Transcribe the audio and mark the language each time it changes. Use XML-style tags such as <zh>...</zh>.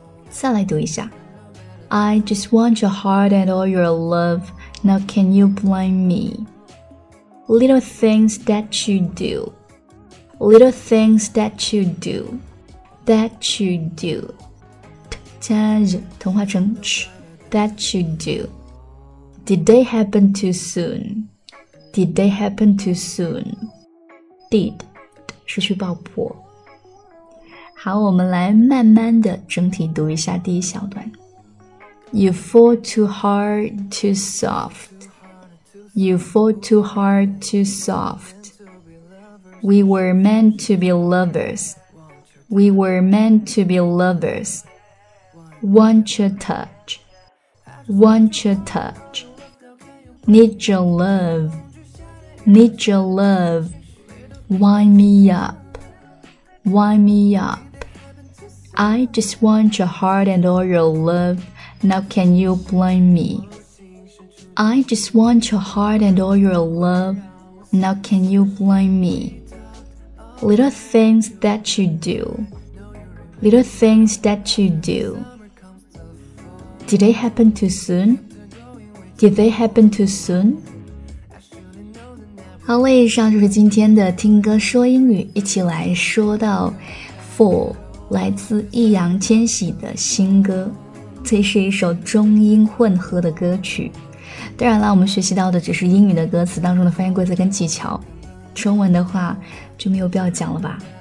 <en>再来读一下 I just want your heart and all your love now can you blame me little things that you do little things that you doThat you do,</en> <zh>加热同化成</zh> <en>ch, that you do. Did they happen too soon? Did they happen too soon?</en> <zh>Did, 失去爆破。好，我们来慢慢的整体读一下第一小段。</zh> <en>You fall too hard, too soft. You fall too hard, too soft. We were meant to be lovers. We were meant to be lovers. Want your touch. Want your touch. Need your love. Need your love. Wind me up. Wind me up. I just want your heart and all your love. Now can you blame me? I just want your heart and all your love. Now can you blame me? Little things that you do, little things that you do. Did they happen too soon? Did they happen too soon?</en> <zh>好了，以上就是今天的听歌说英语，一起来说到 for 来自易烊千玺的新歌，这是一首中英混合的歌曲。当然了，我们学习到的只是英语的歌词当中的发音规则跟技巧，中文的话就没有必要讲了吧。</zh>